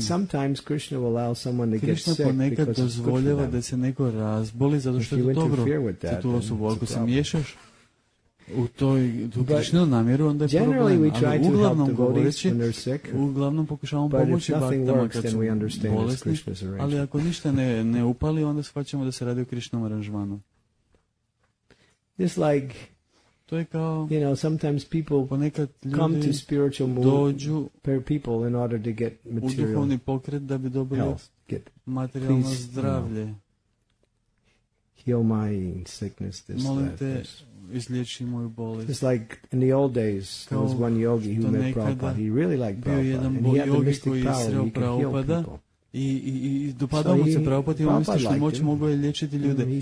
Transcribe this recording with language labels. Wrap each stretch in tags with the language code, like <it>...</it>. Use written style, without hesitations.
<en>Sometimes Krishna will allow someone to get sick because</en> <hr>ponekad dozvoljava da se neko razboli zato što je dobro za tu osobu. Ako se miješaš u toj Krishnu namjeru, onda je problem. Ali uglavnom govoreći, uglavnom pokušavamo pomoći baktama kad su bolesni, ali ako ništa ne upali, onda shvaćamo da se radi o Krishnom aranžmanu.</hr> <en>It's like, you know, sometimes people come to spiritual movement people in order to get material</en> <hr>pokret da bi</hr> <en>health, get</en> <hr>materialno zdravlje.</hr> <en>Heal my sickness, this,</en> <hr>molim</hr> <en>that,</en> <hr>te,</hr> <en>this.</en> <hr>Izliječi moju bolest.</hr> <en>It's like in the old days, there was one yogi who met Prabhupada. He really liked Prabhupada. And he had the mystic power and he could heal people.</en> <hr>I dopadao mu se Prabhupada i on misli što moć mogu je liječiti ljude.</hr>